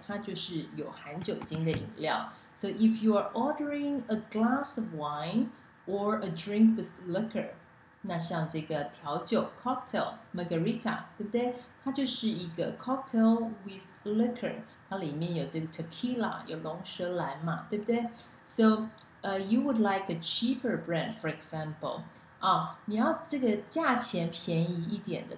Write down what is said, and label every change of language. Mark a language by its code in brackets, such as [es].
[zh] 它就是有含酒精的饮料。 [en] So if you are ordering a glass of wine or a drink with liquor。 [zh] 那像这个调酒 cocktail margarita， 对不对？它就是一个 [en] cocktail with liquor， [zh] 它里面有这个 tequila， 有龙舌兰嘛，对不对？ So [en] you would like a cheaper brand, for example. [zh] 哦，你要这个价钱便宜一点的。